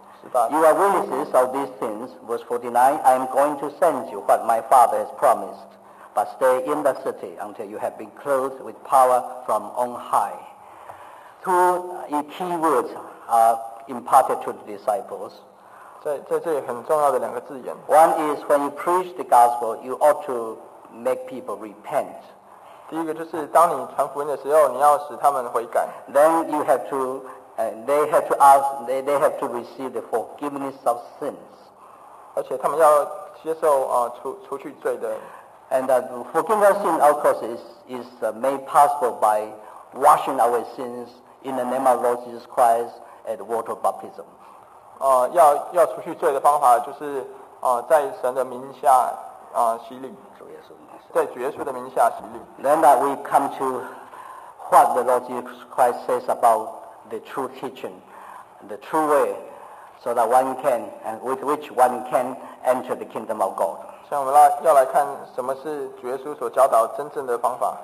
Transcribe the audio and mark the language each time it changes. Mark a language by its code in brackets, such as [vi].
[en] You are witnesses of these things. Verse 49. I am going to send you what my Father has promised, but stay in the city until you have been clothed with power from on high. Two key words are imparted to the disciples. [zh] 在这里很重要的两个字眼。 [en] One is when you preach the gospel, you ought to make people repent. [zh] 第一个就是当你传福音的时候，你要使他们悔改。 [en] Then you have to, they have to ask, they have to receive the forgiveness of sins. [zh] 而且他们要接受除去罪的。 [en] And forgiveness of sin, of course, is made possible by washing our sins in the name of Lord Jesus Christ at water baptism. [zh] 要除去罪的方法就是在神的名下洗礼。在主耶稣的名下洗礼。 [en] Then that we come to what the Lord Jesus Christ says about the true teaching, the true way, so that one can and with which one can enter the kingdom of God. [zh] 所以我们要来看什么是主耶稣所教导真正的方法。